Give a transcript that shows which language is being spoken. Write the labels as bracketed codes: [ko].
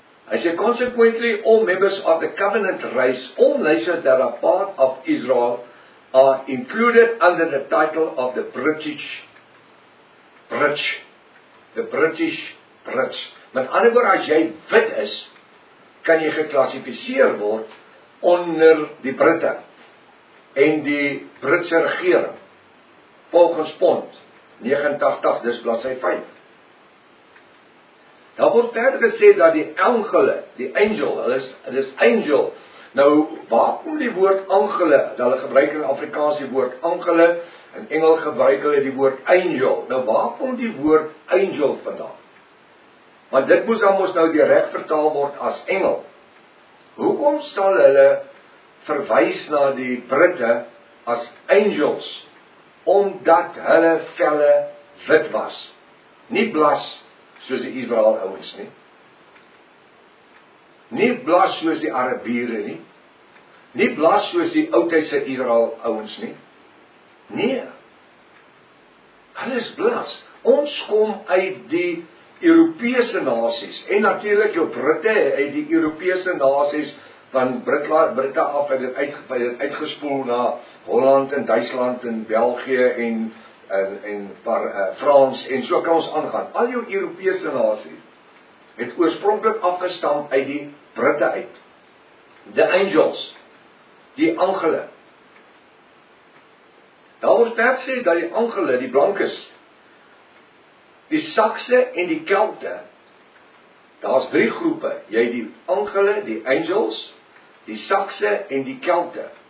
[af] Hy sê, [en] consequently, all members of the covenant race, all nations that are part of Israel, are included under the title of the British. [af] Met ander woord, as jy wit is, kan jy geklassifiseer word onder die Britte en die Britse regering. Volgens Pond 89, dis bladsy 5. Daar word verder gesê dat die engele, die angel, hulle is angel. Nou, waar kom die woord angele? Hulle gebruik in Afrikaans die woord angele, in Engel gebruik hulle die woord angel. Nou, waar kom die woord angel vandaan? Want dit moes dan ons nou direk vertaal word as engel. Hoekom sal hulle verwys na die Britte as angels? Omdat hulle velle wit was. Nie blas soos die Israel ouens nie. Nie blas soos die Arabiere nie. Nie blas soos die oudtydse Israel ouens nie. Nee. Hulle is blas. Ons kom uit die Europese nasies, en natuurlik jou Britte uit die Europese nasies, van Britte af het uitgespoel na Holland en Duitsland en België en Frans, en so kan ons aangaan. Al jou Europese nasies het oorspronklik afgestam uit die Britte uit. [en] The angels, [af] die angele. Daar word per sê dat die angele, die blankes, die Sakse en die Kelte, daar is drie groepe, jy die angele, die angels, die Sakse en die Kelte.